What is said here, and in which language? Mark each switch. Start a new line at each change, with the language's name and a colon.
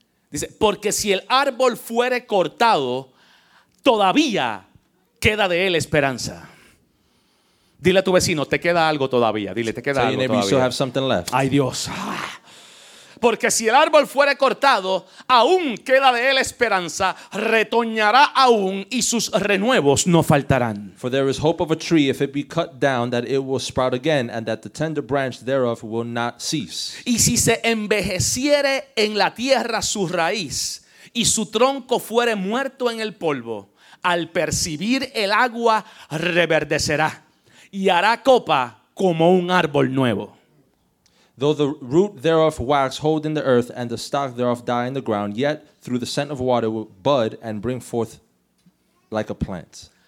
Spanish: Dice, porque si el árbol fuere cortado, todavía queda de él esperanza. Dile a tu vecino, te queda algo todavía. Dile, te queda
English: so
Spanish: algo todavía.
English: You still have something left.
Spanish: Ay Dios. Porque si el árbol fuere cortado, aún queda de él esperanza, retoñará aún y sus renuevos no faltarán.
English: For there is hope of a tree if it be cut down, that it will sprout again, and that the tender branch thereof will not cease.
Spanish: Y si se envejeciere en la tierra su raíz, y su tronco fuere muerto en el polvo, al percibir el agua reverdecerá, y hará copa como un árbol nuevo.
English: Though the root thereof wax hold in the earth, and the stalk thereof die in the ground, yet through the scent of water will bud and bring forth like a plant.